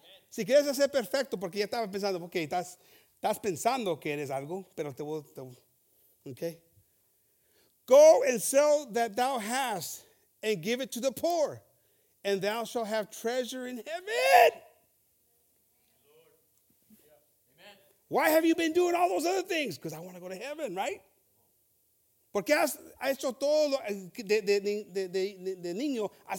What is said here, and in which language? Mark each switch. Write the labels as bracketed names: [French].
[Spanish] Si quieres ser perfecto, porque ya estaba pensando, okay, estás pensando que eres algo, pero te voy a. Okay. [English] Go and sell that thou hast and give it to the poor, and thou shalt have treasure in heaven. Why have you been doing all those other things? Because I want to go to heaven, right? [Spanish] ¿Por qué has hecho todo lo, de niño?